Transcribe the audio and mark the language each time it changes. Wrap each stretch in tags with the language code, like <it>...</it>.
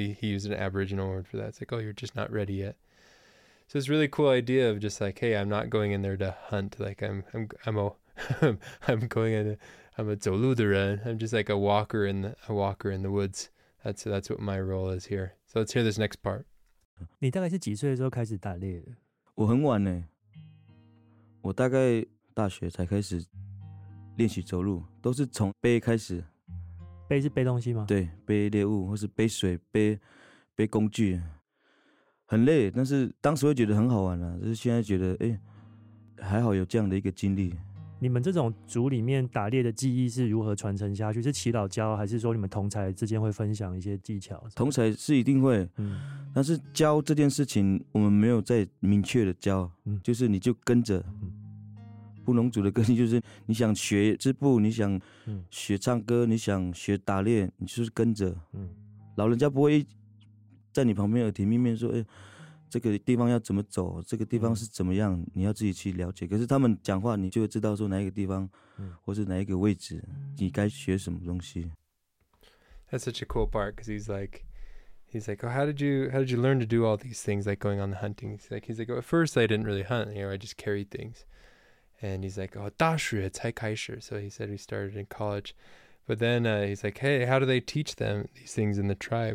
<en>He used an Aboriginal word for that. It's like, oh, you're just not ready yet. So it's a really cool idea of just like, hey, I'm not going in there to hunt. Like I'm a</en> <zh>走路的人.</zh> <en>I'm just like a walker in the woods. That's what my role is here. So let's hear this next part.</en> <zh>你大概是几岁的时候开始打猎的？我很晚耶，我大概大学才开始练习走路，都是从背开始。背是背东西吗？对，背猎物或是背水、背工具，很累，但是当时会觉得很好玩啊，就是现在觉得哎，还好有这样的一个经历。你们这种族里面打猎的技艺是如何传承下去？是耆老教，还是说你们同侪之间会分享一些技巧？同侪是一定会，但是教这件事情我们没有再明确的教，就是你就跟着。布农族的根基就是你想学织布，你想学唱歌，你想学打猎，你就是跟着。老人家不会在你旁边耳提面命说哎，这个地方要怎么走，这个地方是怎么样，你要自己去了解。可是他们讲话你就会知道说哪一个地方或是哪一个位置你该学什么东西。</zh> <en>That's such a cool part, because he's like, oh, how did you learn to do all these things, like going on the hunting? He's like, at first I didn't really hunt, you know, I just carried things. And he's like, oh,</en> <zh>大学才开始.</zh> <en>So he said he started in college. But then he's like, hey, how do they teach them these things in the tribe?</en>